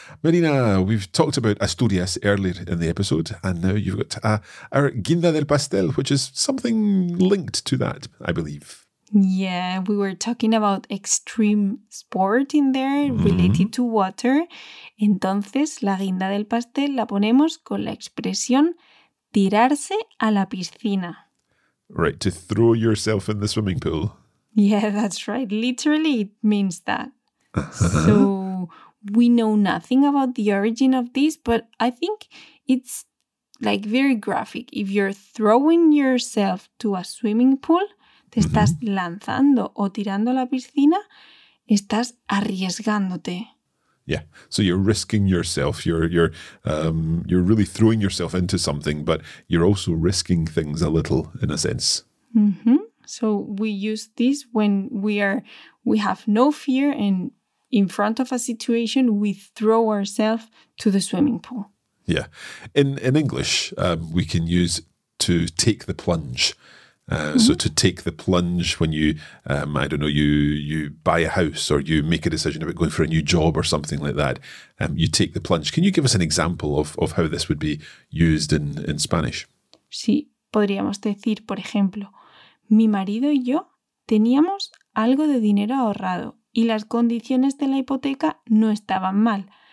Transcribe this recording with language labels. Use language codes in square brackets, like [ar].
[en] Marina, we've talked about Asturias earlier in the episode, and now you've got our guinda del pastel, which is something linked to that, I believe. Yeah, we were talking about extreme sport in there, related to water. [es] Entonces, la guinda del pastel la ponemos con la expresión tirarse a la piscina. [en] Right, to throw yourself in the swimming pool. Yeah, that's right. Literally, it means that. So, we know nothing about the origin of this, but I think it's like very graphic. If you're throwing yourself to a swimming pool, [es] te estás lanzando o tirando a la piscina, estás arriesgándote. [en] Yeah, so you're risking yourself. You're really throwing yourself into something, but you're also risking things a little, in a sense. Mm-hmm. So we use this when we have no fear, and in front of a situation, we throw ourselves to the swimming pool. Yeah. In English, we can use to take the plunge. So to take the plunge when you, you buy a house or you make a decision about going for a new job or something like that, you take the plunge. Can you give us an example of how this would be used in Spanish? [es] Sí, podríamos decir, por ejemplo, mi marido y yo teníamos algo de dinero ahorrado y las condiciones de la hipoteca no estaban mal,